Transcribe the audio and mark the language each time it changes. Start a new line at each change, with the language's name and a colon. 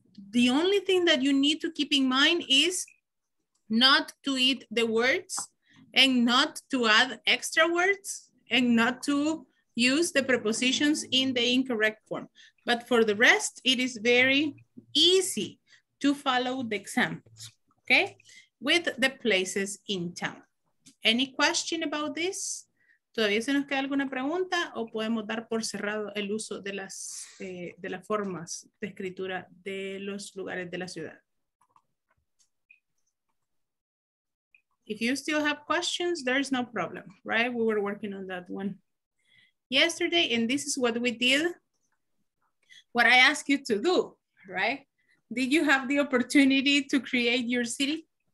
English: The only thing that you need to keep in mind is not to eat the words and not to add extra words and not to use the prepositions in the incorrect form. But for the rest, it is very easy to follow the examples, okay? With the places in town. Any question about this?
Spanish: ¿Todavía se nos queda alguna pregunta o podemos dar por cerrado el uso de las formas de escritura de los lugares de la ciudad?
English: If you still have questions, there's no problem, right? We were working on that one yesterday, and this is what we did, what I asked you to do, right? Did you have the opportunity to create your city?